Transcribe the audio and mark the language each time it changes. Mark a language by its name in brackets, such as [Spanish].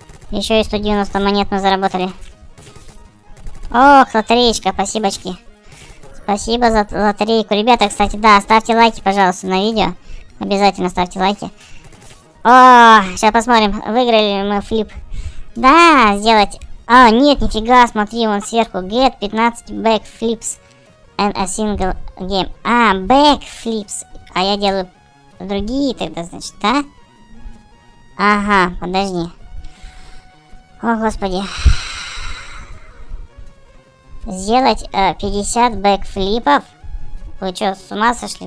[Russian] Еще и 190 монет мы заработали. О, лотереечка, спасибочки. Спасибо за лотерейку. Ребята, кстати, да, ставьте лайки, пожалуйста, на видео. Обязательно ставьте лайки. О, сейчас посмотрим, выиграли ли мы флип. Да, сделать. А, нет, нифига, смотри, вон сверху. [English] Get 15 back flips and a single game. [Russian] А, back flips. А я делаю другие тогда, значит, да? Ага, подожди. О, господи. Сделать 50 back flipов. Вы что, с ума сошли?